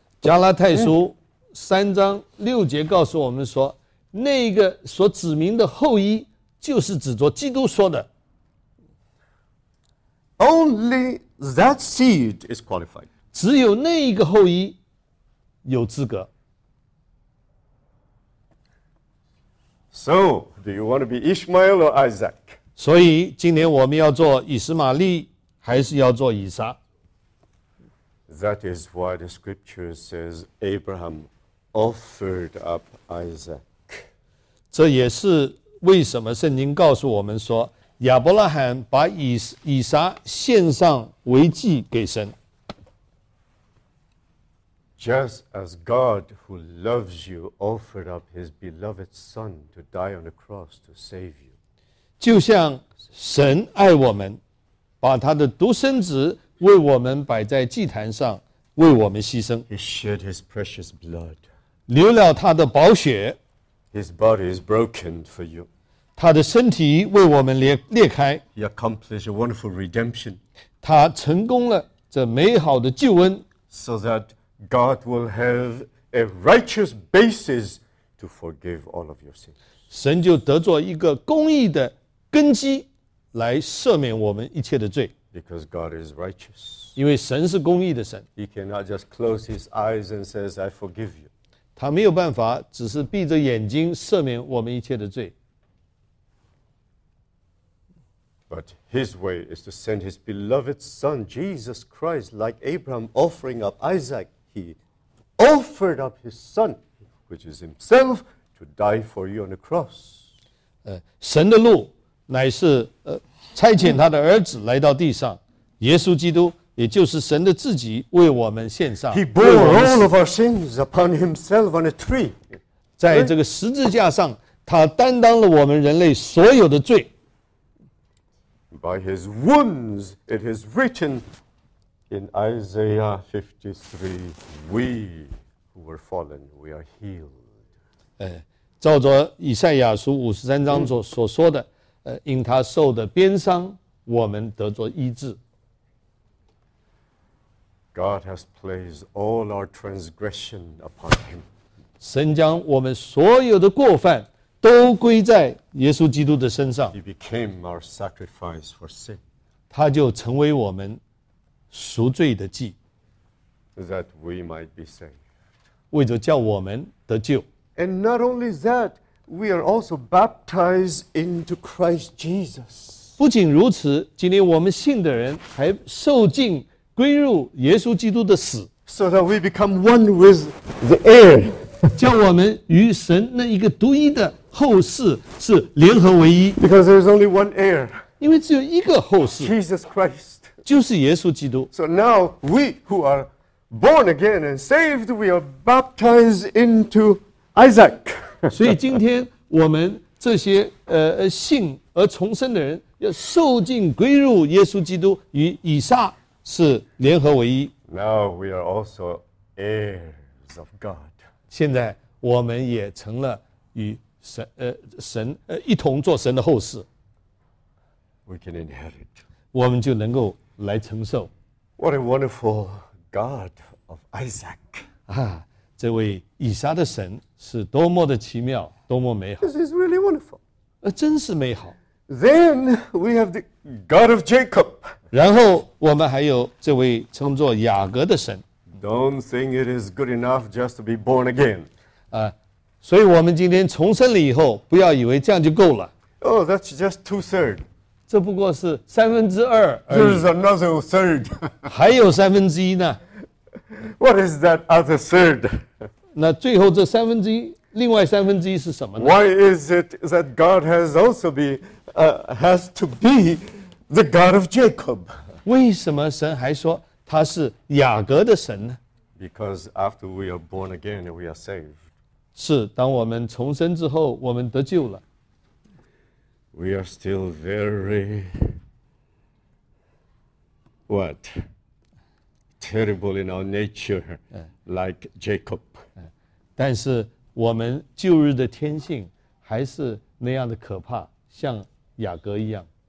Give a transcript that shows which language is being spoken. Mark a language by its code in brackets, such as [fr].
[zh] 加拉太书3章6节告诉我们说, 那个所指明的后裔就是指着基督说的。 [en] Only that seed is qualified. [zh] 只有那一个后裔有资格。 [en] So, do you want to be Ishmael or Isaac? [zh] 所以今年我们要做以实玛利还是要做以撒? [en] That is why the scripture says Abraham offered up Isaac. [zh] 这也是为什么圣经告诉我们说亚伯拉罕把以撒献上为祭给神。 [en] Just as God who loves you offered up his beloved son to die on the cross to save you. [zh] 就像神爱我们，把他的独生子为我们摆在祭坛上，为我们牺牲。 [en] He shed his precious blood. [zh] 流了他的宝血。 [en] His body is broken for you. [zh] 他的身体为我们裂开。 [en] He accomplished a wonderful redemption. [zh] 他成功了这美好的救恩。 [en] So that God will have a righteous basis to forgive all of your sins. [zh] 神就得做一个公义的根基来赦免我们一切的罪。 [en] Because God is righteous. [zh] 因为神是公义的神。 [en] He cannot just close his eyes and says, I forgive you. [zh] 他没有办法只是闭着眼睛赦免我们一切的罪。 [en] But his way is to send his beloved son, Jesus Christ, like Abraham offering up Isaac. He offered up his son, which is himself, to die for you on the cross. [zh] 神的路乃是差遣他的儿子来到地上，耶稣基督，也就是神的自己为我们献上。 [en] He bore all of our sins upon himself on a tree. [zh] 在这个十字架上，他担当了我们人类所有的罪。 [en] By his wounds, it is written in Isaiah 53, we who were fallen, we are healed. [zh] 照着以赛亚书五十三章所说的，因他受的鞭伤，我们得着医治。 [en] God has placed all our transgression upon him. [zh] 神将我们所有的过犯都归在耶稣基督的身上。 [en] He became our sacrifice for sin. [zh] 他就成为我们赎罪的祭。 [en] That we might be saved. [zh] 为着叫我们得救。 [en] And not only that, we are also baptized into Christ Jesus. [zh] 不仅如此，今天我们信的人还受浸归入耶稣基督的死。 [en] So that we become one with the heir. [zh] 叫我们与神那一个独一的后嗣是联合为一。 [en] Because there is only one heir. [zh] 因为只有一个后嗣。 [en] Jesus Christ. [zh] 就是耶稣基督。 [en] So now we who are born again and saved, we are baptized into Isaac. [zh] 所以今天我们这些信而重生的人要受浸归入耶稣基督与以撒是联合为一。 [en] Now we are also heirs of God. [zh] 现在我们也成了与神一同做神的后嗣。 [en] We can inherit. [zh] 我们就能够来承受。 [en] What a wonderful God of Isaac. [zh] 这位以撒的神是多么的奇妙，多么美好。 [en] This is really wonderful. [zh] 真是美好。 [en] Then we have the God of Jacob. [zh] 然后我们还有这位称作雅各的神。 [en] Don't think it is good enough just to be born again. [zh] 所以我们今天重生了以后，不要以为这样就够了。 [en] Oh, that's just two thirds. [zh] 这不过是三分之二而已。 [en] There's another third. [zh] 还有三分之一呢。 [en] What is that other third? [zh] 那最后这三分之一，另外三分之一是什么呢？ [en] Why is it that God has also be, has to be the God of Jacob? [zh] 为什么神还说他是雅各的神呢？ [en] Because after we are born again, we are saved. [zh] 是，当我们重生之后，我们得救了。 [en] We are still very... What? Terrible in our nature, like Jacob. [zh] 但是我们旧日的天性还是那样的可怕，像雅各一样。